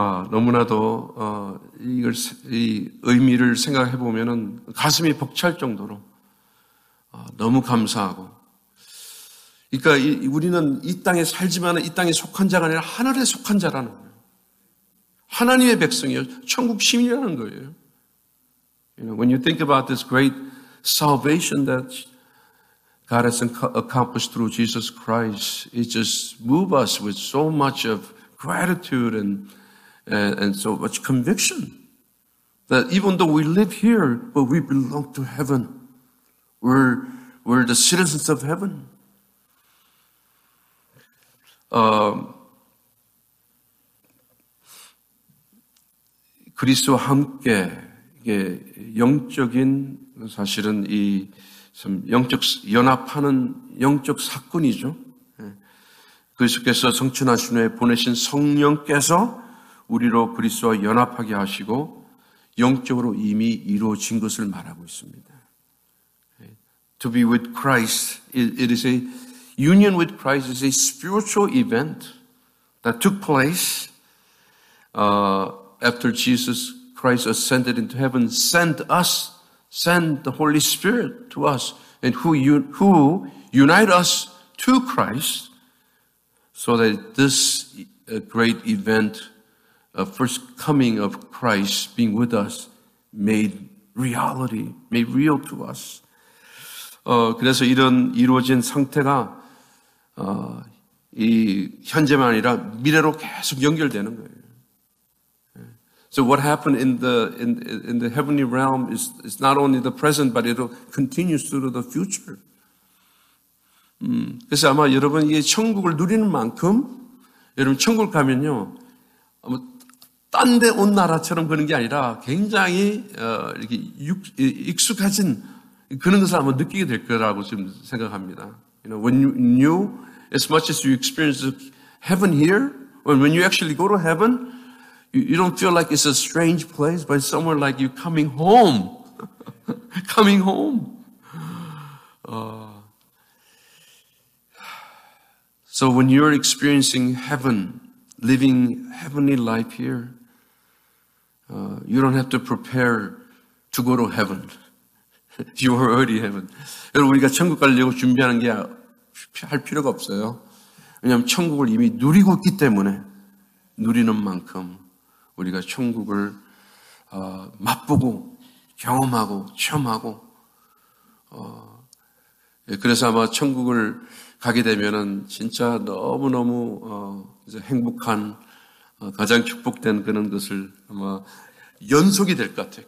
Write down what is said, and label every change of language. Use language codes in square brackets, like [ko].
[ko] 너무나도 이걸 이 의미를 생각해 보면은 가슴이 벅찰 정도로 너무 감사하고. 그러니까 우리는 이 땅에 살지만 이 땅에 속한 자가 아니라 하늘에 속한 자라는 거예요. 하나님의 백성이에요. 천국 시민이라는 거예요. [en] You know, when you think about this great salvation that God has accomplished through Jesus Christ, it just moves us with so much of gratitude and so much conviction that even though we live here, but we belong to heaven. We're the citizens of heaven. [ko] 그리스도와 함께 이게 영적인 사실은 이 좀 영적 연합하는 영적 사건이죠. 그리스도께서 성천하신 후에 보내신 성령께서 우리로 그리스도와 연합하게 하시고 영적으로 이미 이루어진 것을 말하고 있습니다. [en] To be with Christ, it is a union with Christ is a spiritual event that took place after Jesus Christ ascended into heaven, sent us send the Holy Spirit to us and who unite us to Christ so that this great event, first coming of Christ being with us, made reality, made real to us. [ko] 그래서 이런 이루어진 상태가 이 현재만 아니라 미래로 계속 연결되는 거예요. [en] So what happened in the heavenly realm is not only the present, but it'll continue through the future. [ko] 그래서 아마 여러분 이 천국을 누리는 만큼 여러분 천국 가면요, 뭐 딴 데 온 나라처럼 그런 게 아니라 굉장히 이렇게 익숙해진 그런 것을 아마 느끼게 될 거라고 지금 생각합니다. [en] You know, when you, as much as you experience heaven here, when you actually go to heaven, you don't feel like it's a strange place, but somewhere like you're coming home. Coming home. So when you're experiencing heaven, living heavenly life here, you don't have to prepare to go to heaven. You are already heaven. [ko] 여러분, 우리가 천국 가려고 준비하는 게 할 필요가 없어요. 왜냐하면 천국을 이미 누리고 있기 때문에 누리는 만큼 우리가 천국을 맛보고 경험하고 체험하고 그래서 아마 천국을 가게 되면은 진짜 너무너무 이제 행복한 가장 축복된 그런 것을 아마 연속이 될 것 같아요.